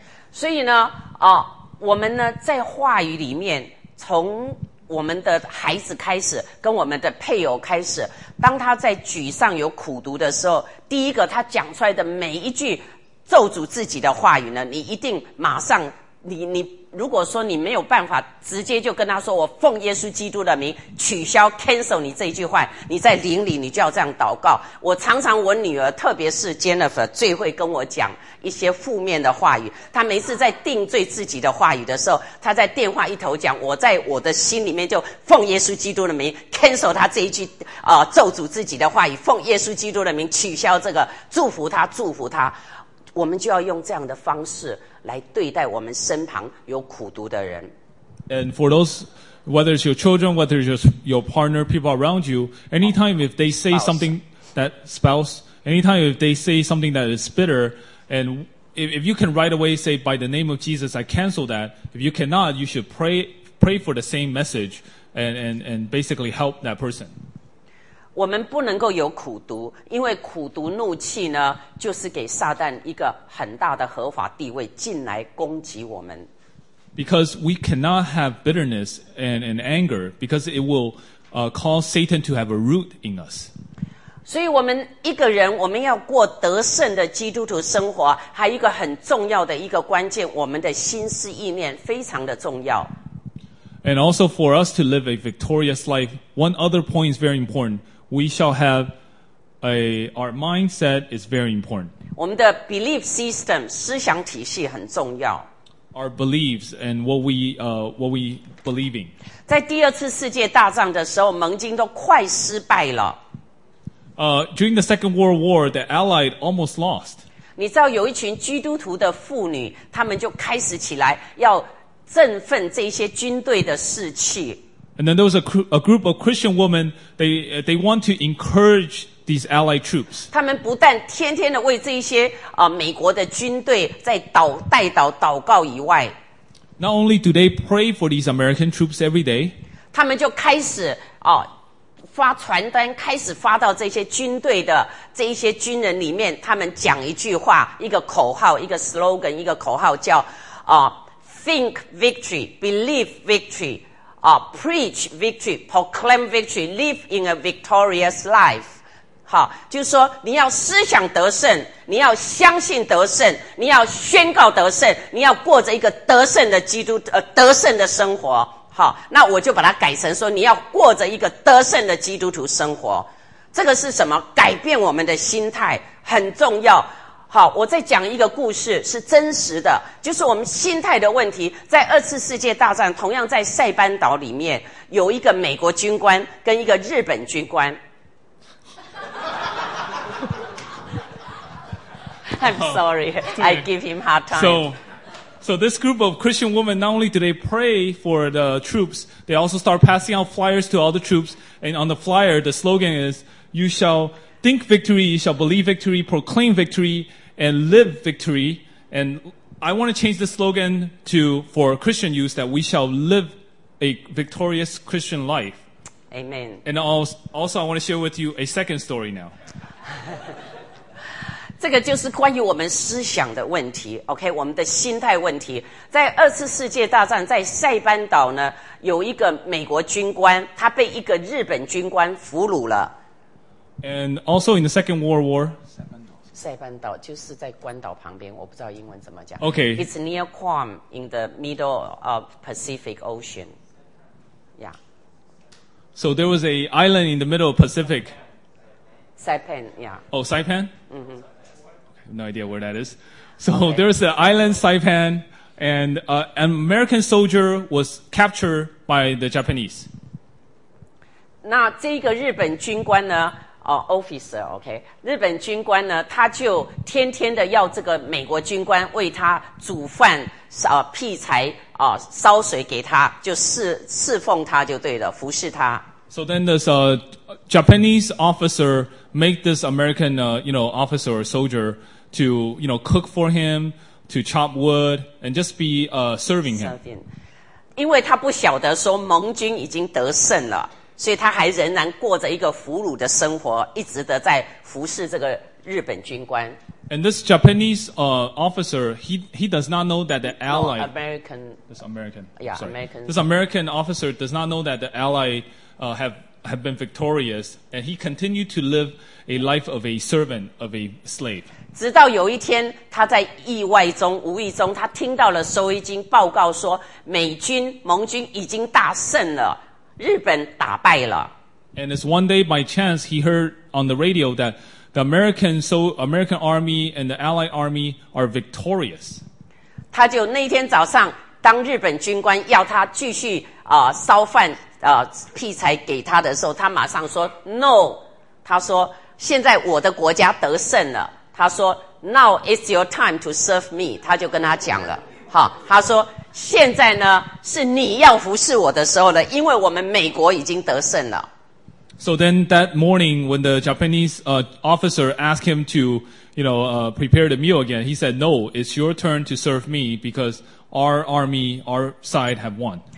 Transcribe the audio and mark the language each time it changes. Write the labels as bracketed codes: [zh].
[zh] 所以呢我们呢在话语里面，从我们的孩子开始，跟我们的配偶开始，当他在沮丧有苦毒的时候，第一个他讲出来的每一句咒诅自己的话语呢，你一定马上，你如果说你没有办法直接就跟他说我奉耶稣基督的名取消 cancel 你这一句话，你在灵里你就要这样祷告。我常常我女儿特别是 Jennifer 最会跟我讲一些负面的话语，她每次在定罪自己的话语的时候，她在电话一头讲，我在我的心里面就奉耶稣基督的名 cancel 她这一句咒诅自己的话语，奉耶稣基督的名取消这个，祝福她，祝福她。我们就要用这样的方式来对待我们身旁有苦毒的人。 [en] And for those, whether it's your children, whether it's your partner, people around you, anytime if they say something that spouse, anytime if they say something that is bitter, and if you can right away say, by the name of Jesus, I cancel that, if you cannot, you should pray for the same message and basically help that person. [zh] 我们不能够有苦毒，因为苦毒怒气呢，就是给撒旦一个很大的合法地位进来攻击我们。 [en] Because we cannot have bitterness and anger, because it will cause Satan to have a root in us. [zh] 所以我们一个人，我们要过得胜的基督徒生活，还有一个很重要的一个关键，我们的心思意念非常的重要。 [en] And also for us to live a victorious life, one other point is very important. We shall have our mindset is very important. [zh] 我们的 belief system, 思想体系很重要。 [en] Our beliefs and what we believe in. [zh] 在第二次世界大战的时候，盟军都快失败了。 [en] During the Second World War, the Allied almost lost. [zh] 你知道有一群基督徒的妇女，她们就开始起来要振奋这些军队的士气。 [en] And then there was a group of Christian women, they want to encourage these Allied troops. [zh] 她们不但天天的为这些美国的军队在祷告以外。 [en] Not only do they pray for these American troops every day. [zh] 她们就开始发传单，开始发到这些军队的这一些军人里面，他们讲一句话，一个口号，一个 slogan， 一个口号叫 [en] think victory, believe victory, preach victory, proclaim victory, live in a victorious life。 [zh] 好，就是说你要思想得胜，你要相信得胜，你要宣告得胜，你要过着一个得胜的基督得胜的生活。好，那我就把它改成说，你要过着一个得胜的基督徒生活，这个是什么？改变我们的心态很重要。好，我再讲一个故事，是真实的，就是我们心态的问题。在二次世界大战，同样在塞班岛里面，有一个美国军官跟一个日本军官。 [en] I'm sorry, I give him hard time. So this group of Christian women, not only do they pray for the troops, they also start passing out flyers to all the troops. And on the flyer, the slogan is, you shall think victory, you shall believe victory, proclaim victory, and live victory. And I want to change the slogan to, for Christian use, that we shall live a victorious Christian life. Amen. And also, I want to share with you a second story now. [zh] 这个就是关于我们思想的问题 ,OK, 我们的心态问题。在二次世界大战，在塞班岛呢，有一个美国军官，他被一个日本军官俘虏了。 [en] And also in the Second World War, [zh] 塞班岛就是在关岛旁边，我不知道英文怎么讲。 [en] Okay. It's near Guam in the middle of Pacific Ocean. Yeah. So there was an island in the middle of Pacific. Saipan, yeah. Oh, Saipan? Mm-hmm. No idea where that is. So okay. There's the island Saipan, and an American soldier was captured by the Japanese. [zh] 那这个日本军官呢？officer, OK. 日本军官呢？他就天天的要这个美国军官为他煮饭、劈柴、烧水给他，就侍奉他就对了，服侍他。 [en] So then this Japanese officer make this American, officer or soldier. To, you know, cook for him, to chop wood, and just be serving him. [zh] 因为他不晓得说盟军已经得胜了，所以他还仍然过着一个俘虏的生活，一直的在服侍这个日本军官。 [en] And this Japanese officer, he does not know that the ally. American officer does not know that the ally have been victorious, and he continued to live a life of a servant, of a slave. [zh] 直到有一天，他在意外中、无意中，他听到了收音机报告说，美军、盟军已经大胜了，日本打败了。 [en] And it's one day by chance he heard on the radio that the American army and the Allied army are victorious. [zh] 他就那天早上，当日本军官要他继续烧饭劈柴给他的时候，他马上说 No. 他说现在我的国家得胜了。他说 [en] ,Now is your time to serve me. [zh] 他就跟他讲了。好，他说现在呢是你要服侍我的时候了，因为我们美国已经得胜了。 [en] So then that morning when the Japanese officer asked him to, you know, prepare the meal again, he said, No, it's your turn to serve me because our side have won.